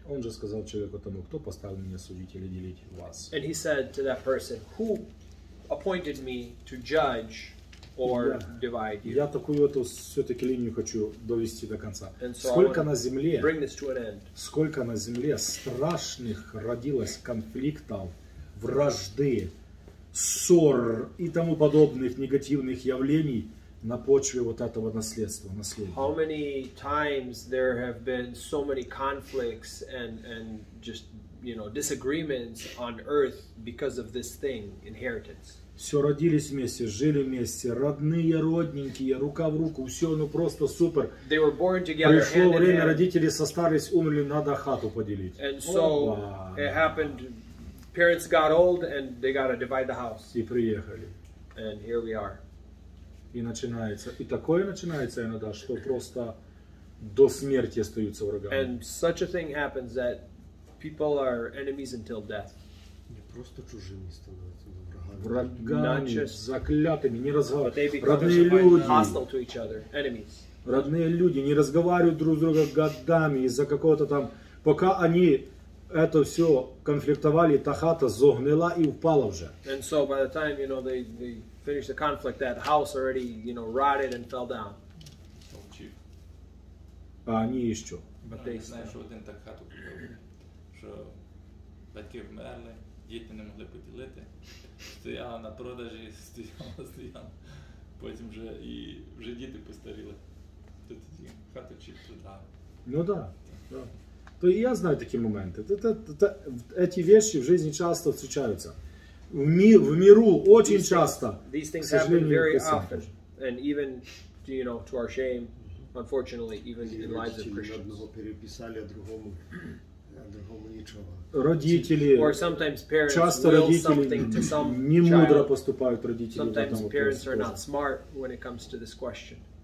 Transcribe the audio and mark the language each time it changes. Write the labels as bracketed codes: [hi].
[ru] Он же сказал человеку тому, кто поставил меня судить или делить вас. [en] And he said to that person, who appointed me to judge or divide you? [ru] Я такую эту все-таки линию хочу довести до конца. Сколько на земле? [en] Bring this to an end. [ru] Сколько на земле страшных родилось конфликтов, вражды, ссор и тому подобных негативных явлений на почве вот этого наследства, наследия. [en] How many times there have been so many conflicts and just, you know, disagreements on earth because of this thing, inheritance. [ru] Все родились вместе, жили вместе, родные, родненькие, рука в руку, все, ну просто супер. [en] They were born together. [ru] Пришло время, родители состарились, умерли, надо хату поделить. [en] And so it happened, parents got old and they got to divide the house. [ru] И приехали. [en] And here we are. [ru] И начинается, и такое начинается иногда, что просто до смерти остаются врагами. [en] And such a thing happens that people are enemies until death. [ru] Не просто чужими становятся, но врагами. Врагами, заклятыми, не разговаривают. Родные люди. [en] Hostile to each other, enemies. [ru] Родные люди не разговаривают друг с другом годами из-за какого-то там, пока они это все конфликтовали, та хата зогнила и упала уже. [en] And so by the time, you know, they finish the conflict, that house already, you know, rotted and fell down. [ru] А они еще. [en] But they still. [uk] Знаешь, один так хату купили, що батьки вмерли, діти не могли поділити, стояла на продажі, стояла. Потім вже діти постаріли. Тут хату чи туди. Ну да. То я знаю такі моменти. Ці вірші в житті часто зустрічаються. В міру дуже часто. [en] These things happen very often. And even, you know, to our shame, unfortunately, even in lives of Christians. [uk] Одного переписали, другому нічого. Родителі, [en] or sometimes parents [uk] часто родителі [en] to some [uk] не мудро поступають родителі в цьому питанні. [en] Are not smart when it comes to this question.